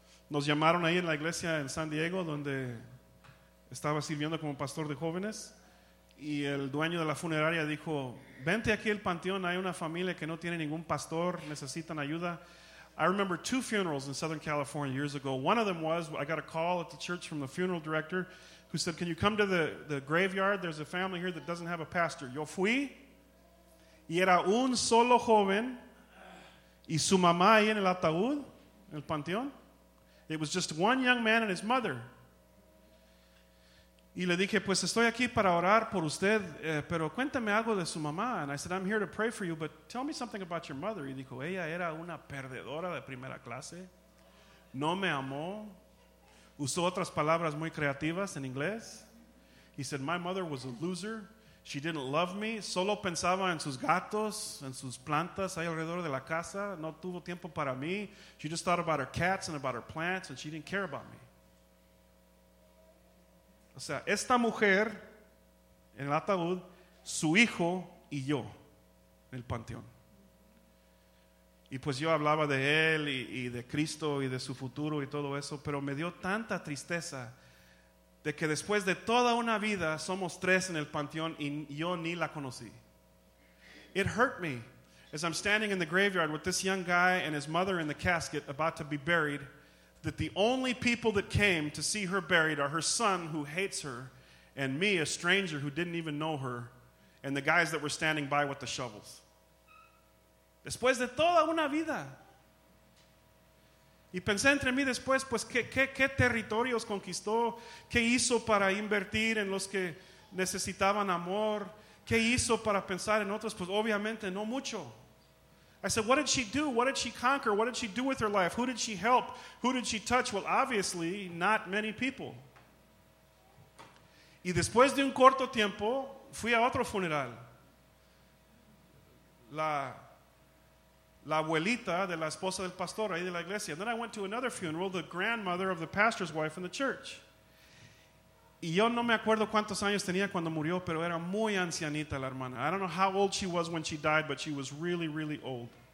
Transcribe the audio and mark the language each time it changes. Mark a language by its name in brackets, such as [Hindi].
[Spanish] Nos llamaron ahí en la iglesia en San Diego, donde estaba sirviendo como pastor de jóvenes. Y el dueño de la funeraria dijo, vente aquí al panteón, hay una familia que no tiene ningún pastor, necesitan ayuda. [English] I remember two funerals in Southern California years ago. One of them was, I got a call at the church from the funeral director, who said, can you come to the graveyard? There's a family here that doesn't have a pastor. [Spanish] Yo fui, y era un solo joven, y su mamá ahí en el ataúd, en el panteón. [English] It was just one young man and his mother. [Spanish] Y le dije, pues estoy aquí para orar por usted, pero cuéntame algo de su mamá. [English] And I said, I'm here to pray for you, but tell me something about your mother. [Spanish] Y dijo, ella era una perdedora de primera clase. No me amó. Usó otras palabras muy creativas en inglés. [English] He said, my mother was a loser. She didn't love me. [Spanish] Solo pensaba en sus gatos, en sus plantas ahí alrededor de la casa. No tuvo tiempo para mí. [English] She just thought about her cats and about her plants, and she didn't care about me. [Spanish] O sea, esta mujer en el ataúd, su hijo y yo en el panteón. Y pues yo hablaba de él y de Cristo y de su futuro y todo eso, pero me dio tanta tristeza de que después de toda una vida somos tres en el panteón y yo ni la conocí. [English] It hurt me as I'm standing in the graveyard with this young guy and his mother in the casket about to be buried, that the only people that came to see her buried are her son who hates her and me, a stranger who didn't even know her, and the guys that were standing by with the shovels. [Spanish] Después de toda una vida. Y pensé entre mí después, pues, ¿qué territorios conquistó? ¿Qué hizo para invertir en los que necesitaban amor? ¿Qué hizo para pensar en otros? Pues, obviamente, no mucho. [English] I said, what did she do? What did she conquer? What did she do with her life? Who did she help? Who did she touch? Well, obviously, not many people. [Spanish] Y después de un corto tiempo, fui a otro funeral. La abuelita de la esposa del pastor ahí de la iglesia. [English] And then I went to another funeral, the grandmother of the pastor's wife in the church. [Spanish] Y yo no me acuerdo cuántos años tenía cuando murió, pero era muy ancianita la hermana. [English] I don't know how old she was when she died, but she was really, really old.